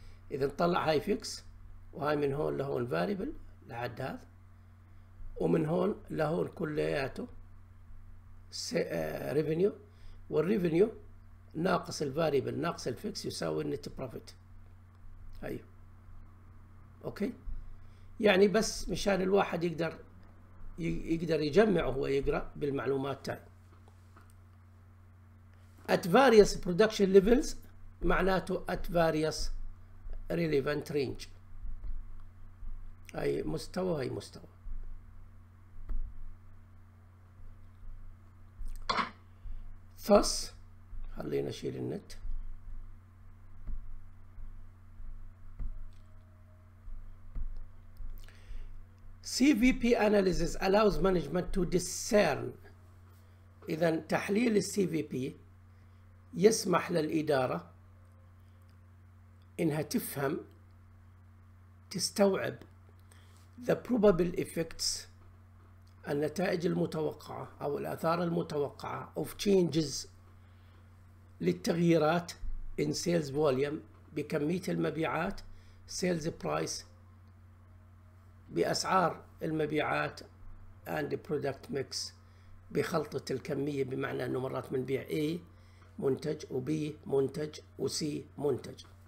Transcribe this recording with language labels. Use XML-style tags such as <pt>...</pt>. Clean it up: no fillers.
<ar>إذا طلع هاي فيكس وهاي من هون لهون فاريبل لحد هذا، ومن هون لهون كلياته ريفينيو، والريفينيو ناقص الفاريبل ناقص الفيكس يساوي النت بروفيت. أيوه أوكي، يعني بس مشان الواحد يقدر يجمع وهو يقرأ بالمعلومات تاعي.</ar> <en>At various production levels</en> <ar>معناته</ar> <en>at various relevant range،</en> <ar>هاي مستوى هاي مستوى. Thus خلينا نشيل النت.</ar> <en>CVP analysis allows management to discern،</en> <ar>إذا تحليل CVP يسمح للإدارة إنها تفهم تستوعب</ar> <en>the probable effects</en> <ar>النتائج المتوقعة أو الآثار المتوقعة</ar> <en>of changes</en> <ar>للتغييرات</ar> <en>in sales volume</en> <ar>بكمية المبيعات</ar> <en>sales price</en> <ar>بأسعار المبيعات</ar> <en>and product mix</en> <ar>بخلطة الكمية بمعنى أنه مرات منبيع A منتج و B منتج و C منتج.</ar>